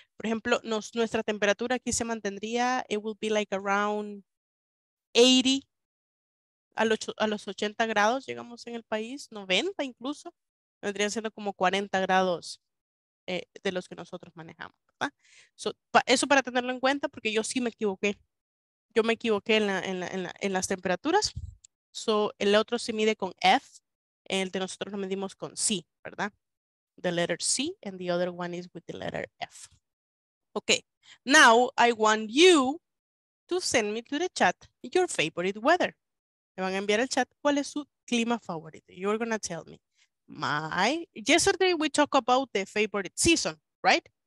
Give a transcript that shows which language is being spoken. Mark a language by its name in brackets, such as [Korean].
[Spanish] Por ejemplo, nuestra temperatura aquí se mantendría, [English] it will be like around 80, [Spanish] a los 80 grados llegamos en el país, 90 incluso, vendrían siendo como 40 grados de los que nosotros manejamos, ¿verdad? Eso para tenerlo en cuenta, porque yo sí me equivoqué. Yo me equivoqué en las temperaturas. So, el otro se mide con F, el de nosotros lo medimos con C, ¿verdad? [English] The letter C and the other one is with the letter F. Okay, now I want you to send me to the chat your favorite weather. [Spanish] Me van a enviar al chat cuál es su clima favorito. [English] You're gonna tell me. Yesterday we talked about the favorite season, right?